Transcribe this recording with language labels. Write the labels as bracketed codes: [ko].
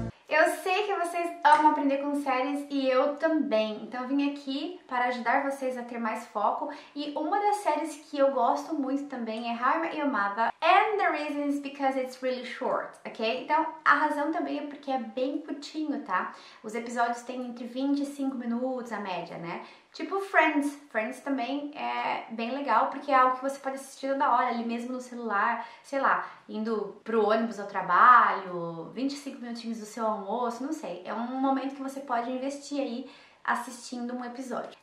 [pt] Eu sei que vocês amam aprender com séries e eu também. Então eu vim aqui para ajudar vocês a ter mais foco. E uma das séries que eu gosto muito também é How I Met Your Mother. [en] And the reason is because it's really short, ok? [pt] Então, a razão também é porque é bem curtinho, tá? Os episódios têm entre 25 minutos, a média, né? Tipo Friends. Friends também é bem legal, porque é algo que você pode assistir toda hora, ali mesmo no celular, sei lá, indo pro ônibus ao trabalho, 25 minutinhos do seu almoço, não sei. É um momento que você pode investir aí, assistindo um episódio.